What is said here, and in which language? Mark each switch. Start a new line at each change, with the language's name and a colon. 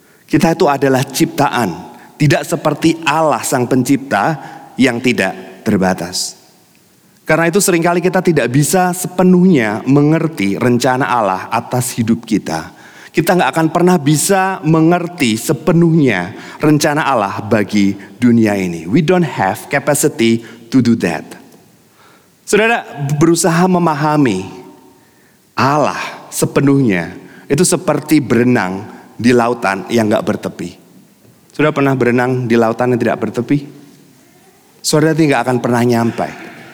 Indonesian: Kita itu adalah ciptaan, tidak seperti Allah sang pencipta yang tidak terbatas. Karena itu seringkali kita tidak bisa sepenuhnya mengerti rencana Allah atas hidup kita. Kita gak akan pernah bisa mengerti sepenuhnya rencana Allah bagi dunia ini.
English: We don't have capacity to do that.
Indonesian: Saudara, berusaha memahami Allah sepenuhnya itu seperti berenang di lautan yang gak bertepi. Saudara pernah berenang di lautan yang tidak bertepi? Saudara tidak akan pernah nyampe.